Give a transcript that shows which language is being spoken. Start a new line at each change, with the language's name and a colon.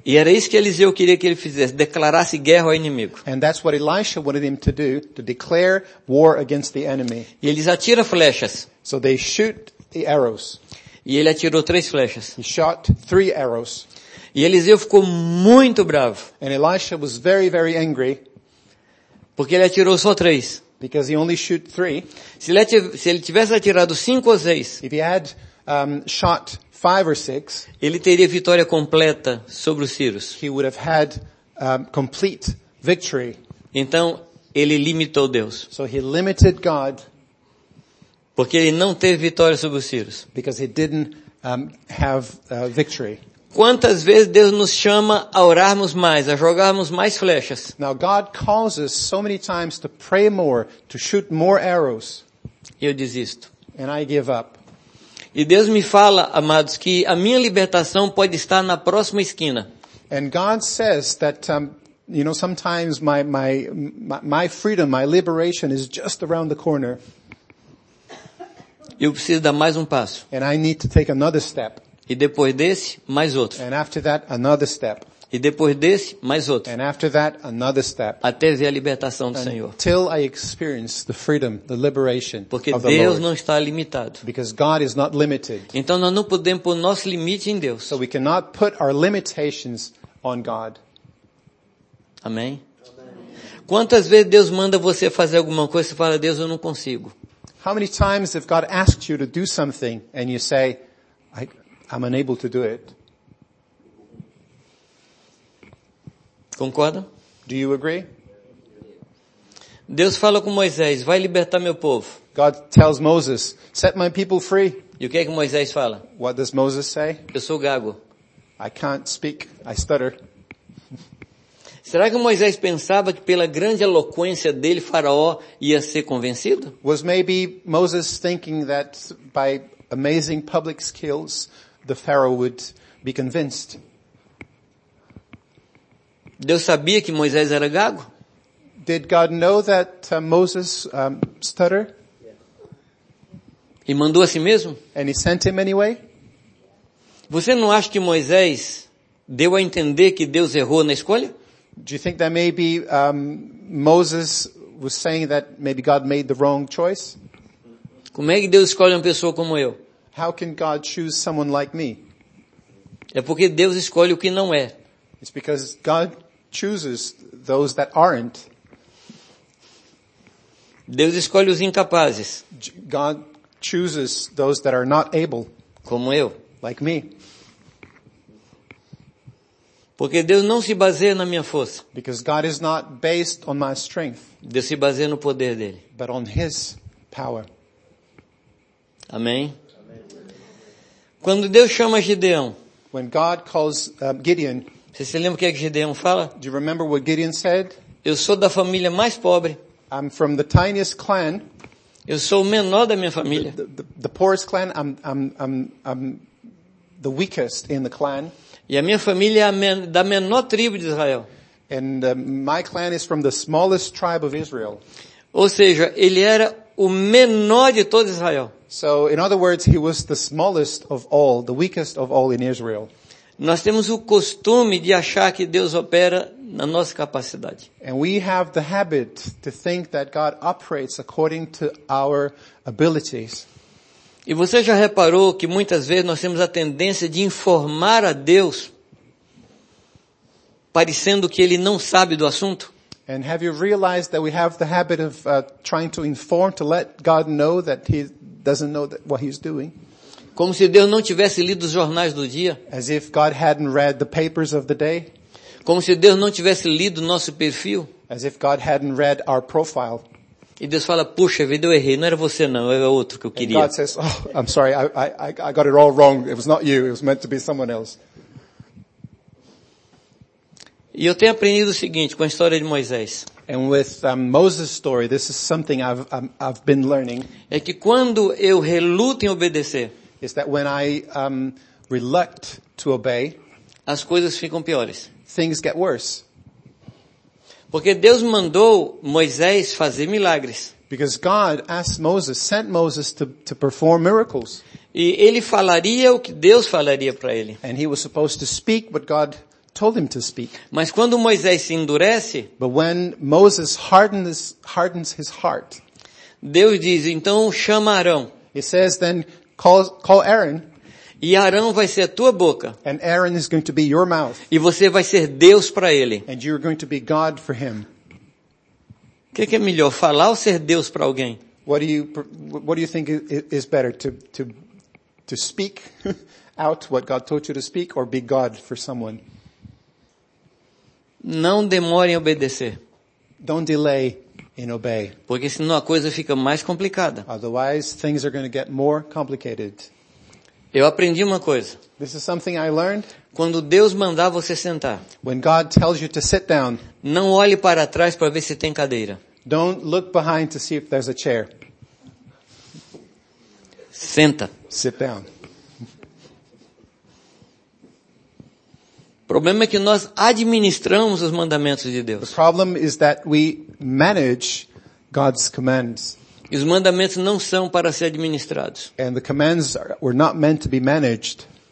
Portuguese: E era isso que Eliseu queria que ele fizesse, declarasse guerra ao inimigo.
English: And that's what Elisha wanted him to do, to declare war against the enemy.
Portuguese: E eles atiram flechas.
English: So they shoot the arrows.
Portuguese: E ele atirou três flechas.
English: He shot three arrows.
Portuguese: E Eliseu ficou muito bravo.
English: And Elisha was very, very angry.
Portuguese: Porque ele atirou só três.
English: Because he only shot three.
Portuguese: Se ele tivesse atirado cinco ou seis,
English: if he had shot five or six,
Portuguese: ele teria vitória completa sobre os sírios.
English: He would have had complete victory.
Portuguese: Então ele limitou Deus.
English: So he limited God.
Portuguese: Porque ele não teve vitória sobre os sírios.
English: Because he didn't have victory.
Portuguese: Quantas vezes Deus nos chama a orarmos mais, a jogarmos mais flechas?
English: Now God calls us so many times to pray more, to shoot more arrows.
Portuguese: Eu desisto.
English: And I give up.
Portuguese: E Deus me fala, amados, que a minha libertação pode estar na próxima esquina.
English: And God says that you know, sometimes my freedom, my liberation is just around the corner.
Portuguese: Eu preciso dar mais um passo.
English: And I need to take another step.
Portuguese: E depois desse, mais outro.
English: And after that, another step.
Portuguese: E depois desse, mais outro.
English: And after that, another step.
Portuguese: Até ver a libertação do Senhor.
English: Until I experience the freedom, the liberation of the Lord.
Portuguese: Porque Deus não está limitado.
English: Because God is not limited.
Portuguese: Então nós não podemos pôr nosso limite em Deus.
English: So we cannot put our limitations on God.
Portuguese: Amém? Quantas vezes Deus manda você fazer alguma coisa e você fala, Deus, eu não consigo?
English: How many times have God asked you to do something and you say, I'm unable to do it.
Portuguese: Concorda?
English: Do you agree?
Portuguese: Deus fala com Moisés, vai libertar meu povo.
English: God tells Moses, set my people free.
Portuguese: E o que é que Moisés fala?
English: What does Moses say?
Portuguese: Eu sou gago.
English: I can't speak, I stutter.
Portuguese: Será que Moisés pensava que pela grande eloquência dele Faraó ia ser convencido?
English: Was maybe Moses thinking that by amazing public skills the Pharaoh would be convinced?
Portuguese: Deus sabia que Moisés era gago?
English: Did God know that Moses stutter?
Portuguese: E mandou a si mesmo?
English: And he sent him anyway?
Portuguese: Você não acha que Moisés deu a entender que Deus errou na escolha?
English: Do you think that maybe Moses was saying that maybe God made the wrong choice?
Portuguese: Como é que Deus escolhe uma pessoa como eu?
English: How can God choose someone like me?
Portuguese: É porque Deus escolhe o que não é.
English: It's because God chooses those that aren't.
Portuguese: Deus escolhe os incapazes.
English: God chooses those that are not able.
Portuguese: Como eu.
English: Like me.
Portuguese: Porque Deus não se baseia na minha força.
English: Because God is not based on my strength.
Portuguese: Deus se baseia no poder dele.
English: But on his power.
Portuguese: Amém. Quando Deus chama Gideão.
English: When God calls Gideon.
Portuguese: Você se lembra o que é que Gideão fala?
English: Do you remember what Gideon said?
Portuguese: Eu sou da família mais pobre.
English: I'm from the tiniest clan.
Portuguese: Eu sou o menor da minha família.
English: The poorest clan. I'm the weakest in the clan.
Portuguese: E a minha família é da menor tribo de Israel.
English: And my clan is from the smallest tribe of Israel.
Portuguese: Ou seja, ele era o menor de todo Israel.
English: So in other words, he was the smallest of all, the weakest of all in Israel.
Portuguese: Nós temos o costume de achar que Deus opera na nossa capacidade.
English: And we have the habit to think that God operates according to our abilities.
Portuguese: E você já reparou que muitas vezes nós temos a tendência de informar a Deus, parecendo que ele não sabe do assunto?
English: And have you realized that we have the habit of trying to inform, to let God know that he doesn't know that what he's doing?
Portuguese: Como se Deus não tivesse lido os jornais do dia.
English: As if God hadn't read the papers of the day.
Portuguese: Como se Deus não tivesse lido o nosso perfil.
English: As if God hadn't read our profile.
Portuguese: E Deus fala, puxa vida, eu errei. Não era você não, era outro que eu queria.
English: And God says, oh, I'm sorry, I got it all wrong. It was not you, it was meant to be someone else.
Portuguese: E eu tenho aprendido o seguinte com a história de Moisés.
English: And with Moses' story, this is something I've been learning.
Portuguese: É que quando eu reluto em obedecer,
English: is that when I reluct to obey,
Portuguese: as coisas ficam piores.
English: Things get worse.
Portuguese: Porque Deus mandou Moisés fazer milagres.
English: Because God asked Moses, sent Moses to perform miracles.
Portuguese: E ele falaria o que Deus falaria para ele.
English: And he was supposed to speak what God told him to speak.
Portuguese: Mas quando Moisés se endurece,
English: but when Moses hardens his heart,
Portuguese: Deus diz, então chama Arão.
English: He says then, call Aaron.
Portuguese: E Arão vai ser a tua boca.
English: And Aaron is going to be your mouth.
Portuguese: E você vai ser Deus para ele.
English: And you're going to be God for him.
Portuguese: Que é melhor, falar ou ser Deus para alguém?
English: What do you think is better, to speak out what God told you to speak or be God for someone?
Portuguese: Não demore em obedecer.
English: Don't delay in obey.
Portuguese: Porque senão a coisa fica mais complicada.
English: Otherwise, things are going to get more complicated.
Portuguese: Eu aprendi uma coisa.
English: This is something I learned.
Portuguese: Quando Deus mandar você sentar,
English: when God tells you to sit down,
Portuguese: não olhe para trás para ver se tem cadeira.
English: Don't look behind to see if there's a chair.
Portuguese: Senta.
English: Sit down.
Portuguese: O problema é que nós administramos os mandamentos de Deus.
English: The problem is that we manage God's commands.
Portuguese: E os mandamentos não são para ser administrados.
English: And the commands were not meant to be managed.